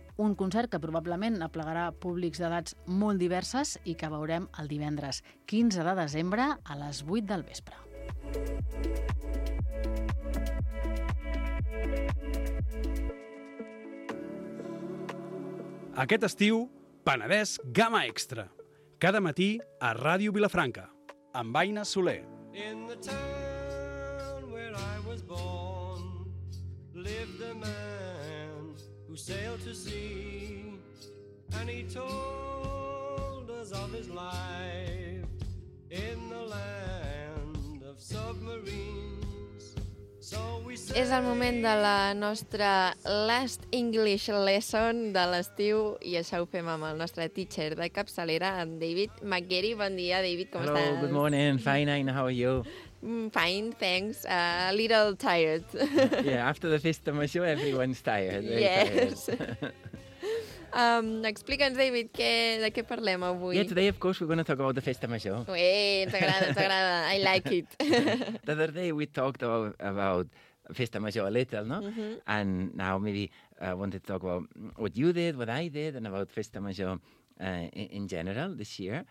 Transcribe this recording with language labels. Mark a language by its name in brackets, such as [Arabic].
[Catalan] Un concert que probablement aplegarà públics d'edats molt diverses i que veurem el divendres 15 de desembre a les 8 del vespre. Aquest estiu, Penedès Gamma Extra. Cada matí a Ràdio Vilafranca, amb Aina Soler. [English] In the town where I was born, lived a man who sailed to sea, and he told us of his life in the land of submarines. So we say... [Catalan] És el moment de la nostra [English] Last English Lesson [Catalan] de l'estiu, i això ho fem amb el nostre teacher de capçalera, en David McGarry. Bon dia, David, com estàs? [English] Hello, good morning, fine, Aina, how are you? Fine, thanks. A little tired. Yeah, after the festa major, everyone's tired. Yes. [Catalan] Explica'ns, David, de què parlem avui. [English] Yeah, today, of course, we're going to talk about the festa major. [Catalan] Ens agrada. [English] I like it. The other day we talked about festa major a little, no? Mm-hmm. And now maybe I wanted to talk about what you did, what I did, and about festa major in general this year.